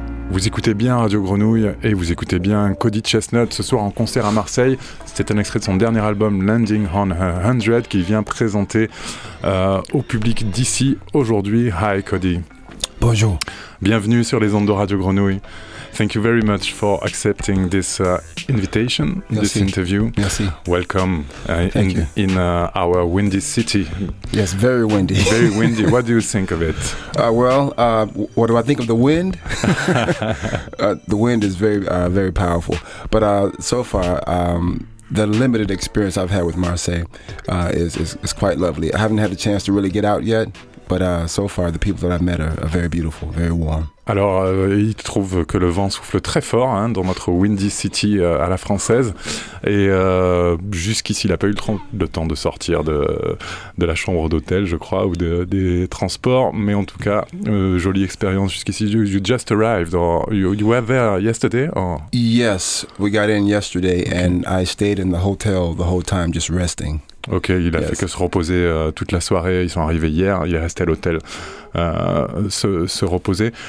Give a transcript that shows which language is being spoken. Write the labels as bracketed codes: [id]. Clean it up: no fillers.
[fr] Vous écoutez bien Radio Grenouille et vous écoutez bien Cody Chestnut ce soir en concert à Marseille. C'était un extrait de son dernier album Landing on a 100 qu'il vient présenter au public d'ici aujourd'hui. [en] Hi Cody. [fr] Bonjour. Bienvenue sur les ondes de Radio Grenouille. [en] Thank you very much for accepting this invitation, [fr] merci. [en] This interview. [fr] Merci. [en] Welcome in our windy city. Yes, very windy. Very windy. What do you think of it? What do I think of the wind? The wind is very, very powerful. But so far, the limited experience I've had with Marseille is quite lovely. I haven't had the chance to really get out yet. But so far, the people that I've met are very beautiful, very warm. [fr] Alors, il trouve que le vent souffle très fort hein, dans notre Windy City à la française. Et jusqu'ici, il n'a pas eu le temps de sortir de la chambre d'hôtel, je crois, ou des transports. Mais en tout cas, jolie expérience jusqu'ici. [en] You just arrived. You were there yesterday? Or? Yes, we got in yesterday and I stayed in the hotel the whole time just resting. [fr] Ok, il a fait que se reposer toute la soirée. Ils sont arrivés hier, il est resté à l'hôtel se reposer.